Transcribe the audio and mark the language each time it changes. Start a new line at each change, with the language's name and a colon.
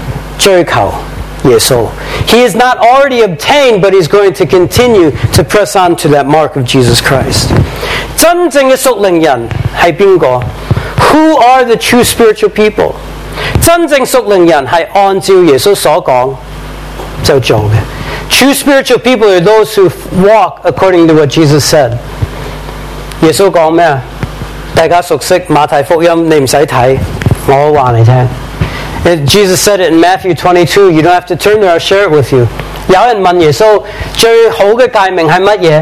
Chinese: 他不是已经达到目标，他要继续在主里面追求耶稣。
English: He is not already obtained, but he's going to continue to press on to that mark of Jesus Christ.
Chinese: 真正的属灵人是谁？
English: Who are the true spiritual people?
Chinese: 真正属灵人是按照耶稣所说就做的。
English: True spiritual people are those who walk according to what Jesus said.
Chinese: 耶稣说什么？大家熟悉马太福音，你不用看，我告诉你。
English: Jesus said it in Matthew 22, you don't have to turn there, I'll share it with you.
Chinese: 有人问耶稣最好的诫命是什么？